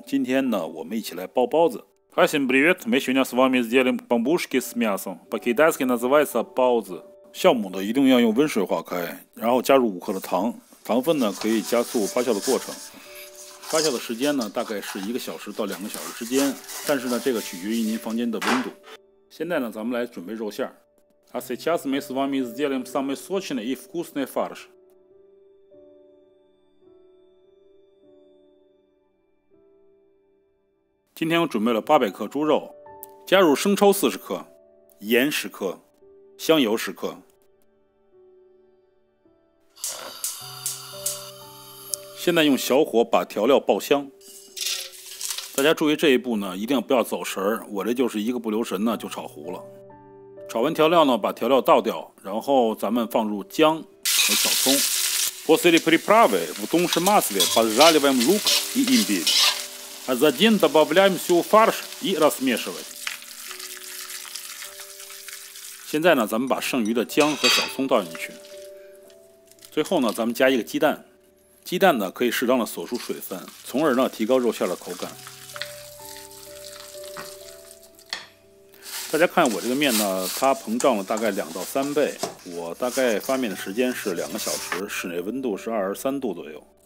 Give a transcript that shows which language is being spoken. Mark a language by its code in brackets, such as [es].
[zh] 今天呢，我们一起来包包子。 [ru] Hi, всем привет! Мы сегодня с вами сделаем бамбушки с мясом. По-китайски называется 包子。 [zh] 酵母呢，一定要用温水化开，然后加入5克的糖。糖分呢，可以加速发酵的过程。发酵的时间呢，大概是一个小时到两个小时之间，但是呢，这个取决于您房间的温度。现在呢，咱们来准备肉馅儿。 [ru] А сейчас мы с вами сделаем самый сочный и вкусный фарш. Сегодня я готовил [zh] 800 克猪肉, 加入生抽40克, 盐10克, 香油10克, 现在用小火把调料爆香。大家注意这一步呢，一定不要走神儿，我这就是一个不留神呢就炒糊了。炒完调料呢，把调料倒掉，然后咱们放入姜和小葱。 [ru] После приправы в тонком масле поджариваем лук и имбирь, а затем добавляем всю фарш и размешиваем. [zh] 现在呢，咱们把剩余的姜和小葱倒进去。最后呢，咱们加一个鸡蛋，鸡蛋呢可以适当的锁出水分，从而呢提高肉馅的口感。大家看我这个面呢，它膨胀了大概2到3倍，我大概发面的时间是两个小时，室内温度是23度左右。